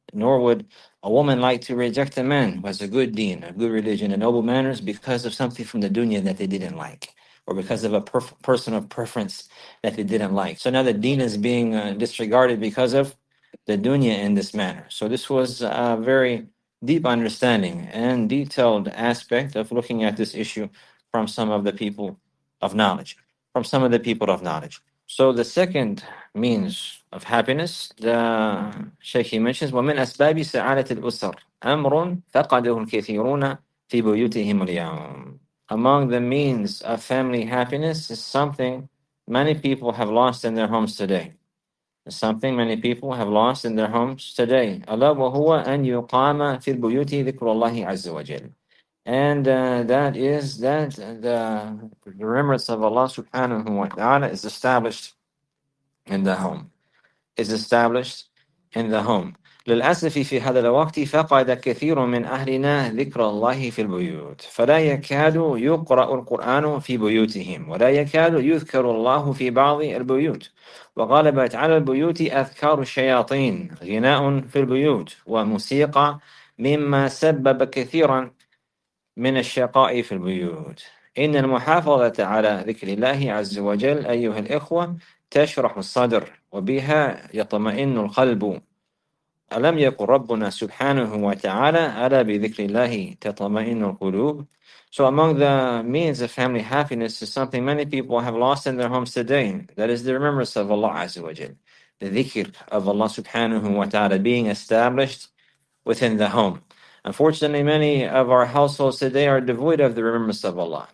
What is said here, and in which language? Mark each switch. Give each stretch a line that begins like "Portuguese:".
English: Nor would a woman like to reject a man who has a good deen, a good religion and noble manners because of something from the dunya that they didn't like, or because of a person of preference that they didn't like. So now the deen is being disregarded because of the dunya in this manner. So this was a very deep understanding and detailed aspect of looking at this issue from some of the people of knowledge. From some of the people of knowledge. So the second means of happiness, the Shaykh mentions,
Arabic: وَمِنْ أَسْبَابِ سَعَادَةِ الْأُسَرِ أَمْرٌ فَقَدَهُ الْكَثِيرُونَ فِي بُيُوتِهِمُ الْيَوْمِ.
English: Among the means of family happiness is something many people have lost in their homes today. Something many people have lost in their homes today.
Arabic: أَلَا وَهُوَ أَنْ يُقَامَ فِي الْبُيُوتِ ذِكْرُ اللَّهِ عَزَّ وَجَلِ.
English: And that is that the remembrance of Allah subhanahu wa ta'ala is established in the home. Is established in the home.
Arabic: لِلْأَسَفِ فِي هَذَا الْوَقْتِ فَقَدَ كَثِيرٌ مِّنْ أَهْلِنَا ذِكْرَ اللَّهِ فِي الْبُيُوتِ فَلَا يَكَادُ يُقْرَأُ الْقُرْآنُ فِي بُيُوتِهِمْ وَلَا يَكَادُ يُذْكَرُ اللَّهُ فِي بَعْضِ الْبُيُوتِ وَغَلَبَتْ عَلَى الْبُيُوتِ أَذْكَارُ الشَّيَاطِينِ غِنَاءٌ فِي الْبُيُوتِ وَمُوسِيقَى مِمَّا سَبَّبَ كَثِيرًا من الشقاء في البيوت إن المحافظة على ذكر الله عز وجل أيها الإخوة تشرح الصدر وبها يطمئن القلب ألم يقل ربنا سبحانه وتعالى ألا بذكر الله تطمئن القلوب.
English: So among the means of family happiness is something many people have lost in their homes today, that is the remembrance of Allah
Arabic: عز وجل,
English: the ذكر of Allah
Arabic: سبحانه وتعالى
English: being established within the home. Unfortunately, many of our households today are devoid of the remembrance of Allah.